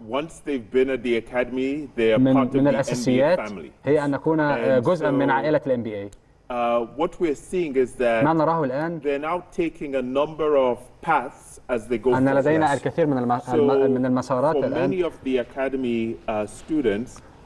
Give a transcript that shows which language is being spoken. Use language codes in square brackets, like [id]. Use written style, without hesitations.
[en] Once they've been at the academy, they are part of the NBA family. [ar] هي ان نكون جزءا من عائله الـ NBA. [en] What we're seeing is that [ar] ما نراه الان [en] they're now taking a number of paths as they go. [ar] ان لدينا الكثير من من المسارات الان. [en] So many of the academy students